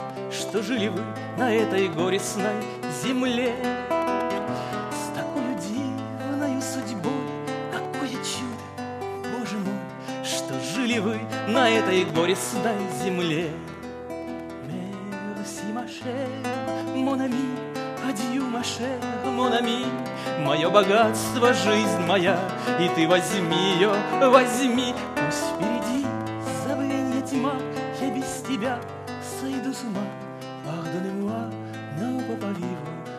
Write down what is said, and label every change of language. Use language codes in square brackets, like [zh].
[ru] Что жили вы на этой горестной земле? С такой дивной судьбой, какое чудо, Боже мой, что жили вы на этой горестной земле? [fr] Merci ma chère, mon ami, adieu ma chère, mon ami. [ru] Мое богатство, жизнь моя, и ты возьми ее, возьми. Пусть впереди забвенья тьма, я без тебя сойду с ума. [fr] Pardonnez-moi, non, papa, vivre.